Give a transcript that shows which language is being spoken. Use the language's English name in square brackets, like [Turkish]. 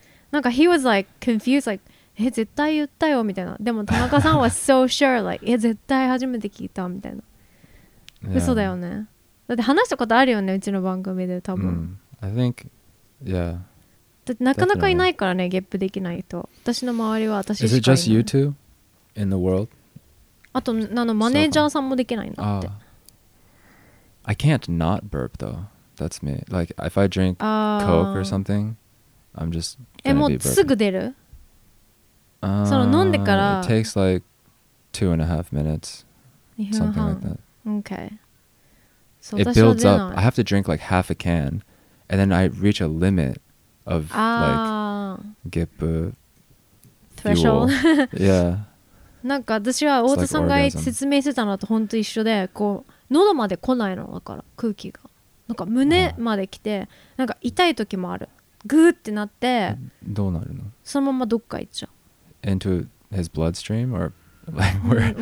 [Japanese] なんか [English] he was like confused like、 [Japanese] え絶対言ったよみたいな。でも田中さんは [English] so sure like、 [Japanese] いや絶対初めて聞いたみたいな、yeah. 嘘だよね。だって話したことあるよね、うちの番組で多分、mm. [English] I think yeah、 [Japanese] だってなかなかいないからね、ゲップできない人。私の周りは私しかいない。 [English] Is it just you two in the world? [Japanese] あとあのマネージャーさんもできないんだって、 [English] I can't not burp though. That's me. Like if I drink coke or something, I'm just gonna be burping. [Japanese] え、もうすぐ出る？その飲んでから。 [English] It takes like 2.5 minutes. Something like that. Okay. So it builds up. I have to drink like half a can, and then I reach a limit of like gip threshold. Yeah. [Japanese] なんか私は太田さんが説明してたのと本当一緒で、こう喉まで来ないの、だから空気がなんか胸まで来て、なんか痛い時もある。グーってなって、どうなるの？そのままどっか行っちゃう。 [English] Into his bloodstream or like where?